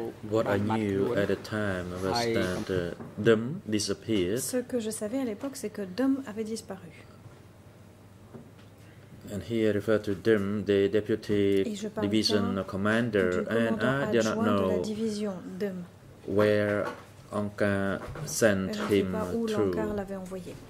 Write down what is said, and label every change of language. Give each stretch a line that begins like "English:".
English: What I knew at the time was that Dum disappeared.
French: Ce que je savais à l'époque, c'est que Dum avait disparu.
English: And he referred to Dum, the deputy division commander, and I did not know where Anka sent him to.